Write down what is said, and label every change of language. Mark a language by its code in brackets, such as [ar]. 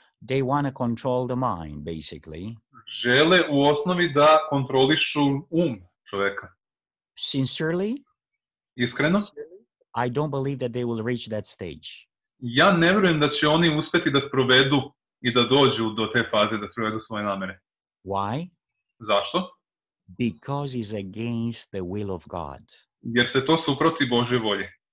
[en] They want to control the mind, basically. [sr] Žele u osnovi da kontrolišu čoveka. [en] Sincerely? [sr] Iskreno? [en] I don't believe that they will reach that stage. [sr] Ja ne vjerujem da će oni uspjeti da sprovedu i da dođu do te faze da sprovedu svoje namjere. [en] Why? [sr] Zašto? [en] Because it's against the will of God. [sr] Jer se to suprotivi Božjoj volji.